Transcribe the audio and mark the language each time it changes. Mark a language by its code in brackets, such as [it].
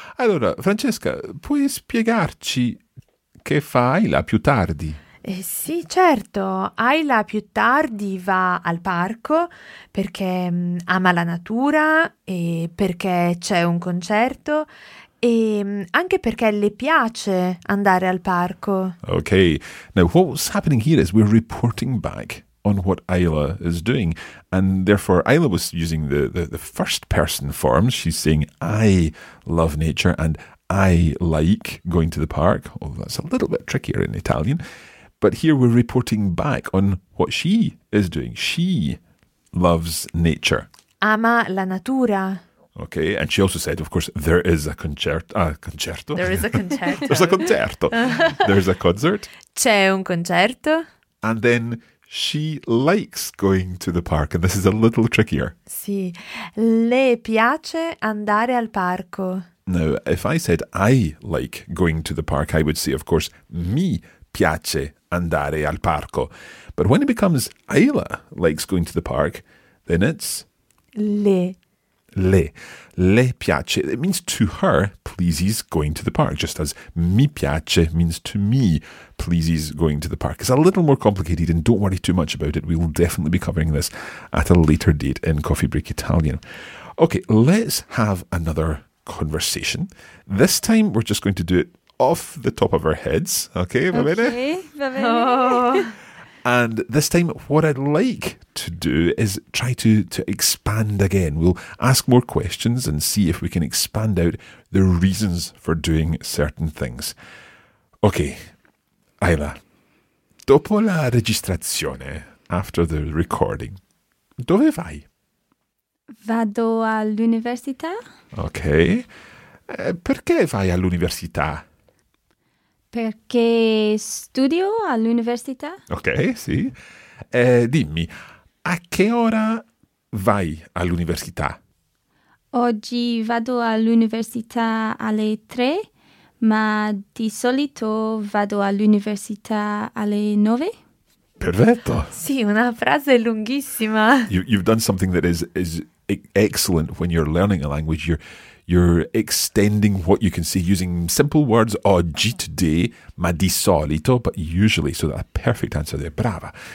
[it] Allora, Francesca, puoi spiegarci che fa Ayla più tardi? Sì, certo. Ayla più tardi va al parco perché ama la natura e perché c'è un concerto e anche perché le piace andare al parco. Ok. [en] Now, what's happening here is we're reporting back on what Ayla is doing. And therefore, Ayla was using the first person form. She's saying, I love nature and I like going to the park. Although that's a little bit trickier in Italian. But here we're reporting back on what she is doing. She loves nature. [it] Ama la natura. [en] Okay, and she also said, of course, there is a concerto. There is a concerto. There's a concerto. There's a concert. [it] C'è un concerto. [en] And then she likes going to the park, and this is a little trickier. [it] Sì, le piace andare al parco. [en] Now, if I said I like going to the park, I would say, of course, [it] mi piace andare al parco. [en] But when it becomes Ayla likes going to the park, then it's... [it] Le piace. [en] It means to her pleases going to the park, just as [it] mi piace [en] means to me pleases going to the park. It's a little more complicated, and don't worry too much about it. We will definitely be covering this at a later date in Coffee Break Italian. Okay, let's have another conversation. This time, we're just going to do it off the top of our heads. Okay, [it] va bene? Okay, va bene. [en] And this time, what I'd like to do is try to expand again. We'll ask more questions and see if we can expand out the reasons for doing certain things. [it] Okay, Ayla, dopo la registrazione, [en] after the recording, [it] dove vai? Vado all'università. Okay. Perché vai all'università? Perché studio all'università. Ok, sì. Dimmi, a che ora vai all'università? Oggi vado all'università alle 3, ma di solito vado all'università alle 9. Perfetto! Sì, una frase lunghissima. [en] You've done something that is excellent when you're learning a language. You're extending what you can say using simple words, oggi, today, [it] ma di solito, [en] but usually, so that a perfect answer there, brava.